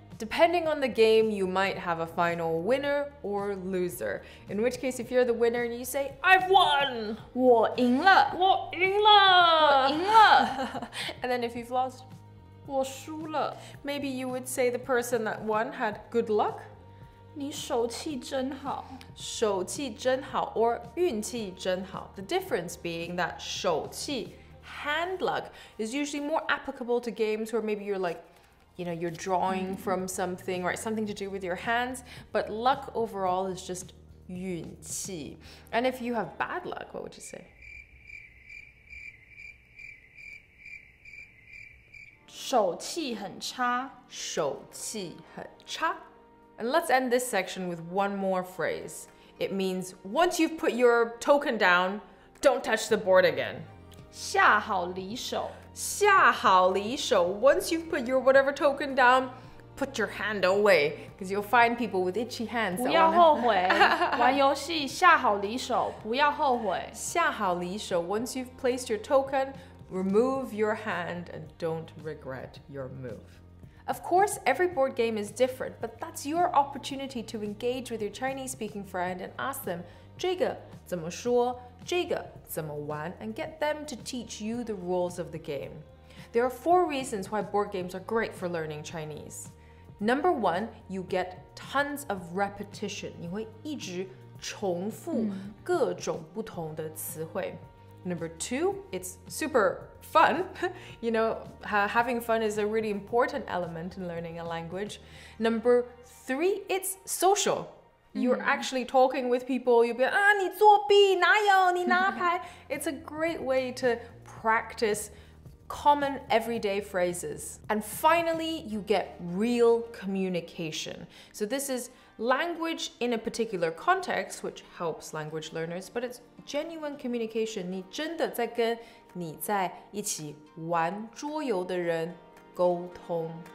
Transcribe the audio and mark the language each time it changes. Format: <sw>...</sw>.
<en>Depending on the game, you might have a final winner or loser. In which case, if you're the winner, you say, I've won!</en> <zh>我赢了。我赢了。我赢了。</zh> <en>And then if you've lost,</en> <zh>我输了。</zh> <en>Maybe you would say the person that won had good luck.</en> <zh>你手气真好。手气真好 or 运气真好。</zh> <en>The difference being that 手气 hand luck, is usually more applicable to games where maybe you're like,You know, you're drawing from something, right? Something to do with your hands. But luck overall is just 运气. And if you have bad luck, what would you say?</en> <zh>手气很差。手气很差。</zh> <en>And let's end this section with one more phrase. It means once you've put your token down, don't touch the board again.</en> <zh>下好离手。下好离手</zh> <en>Once you've put your whatever token down, put your hand away. Because you'll find people with itchy hands.</en> <zh>不要后悔。玩游戏下好离手不要后悔。下好离手</zh> <en>Once you've placed your token, remove your hand and don't regret your move. Of course, every board game is different, but that's your opportunity to engage with your Chinese-speaking friend and ask them,</en> <zh>这个怎么说这个怎么玩</zh> <en>and get them to teach you the rules of the game. There are four reasons why board games are great for learning Chinese. Number one, you get tons of repetition.</en> <zh>你会一直重复各种不同的词汇。</zh> <en>Number two, it's super fun. You know, having fun is a really important element in learning a language. Number three, it's social. You're actually talking with people. You'll be,</en> <zh>你作弊，哪有，你拿牌。</zh> <en>It's a great way to practice common everyday phrases. And finally, you get real communication. So this is language in a particular context, which helps language learners, but it's genuine communication.</en> <zh>你真的在跟你在一起玩桌游的人沟通。</zh>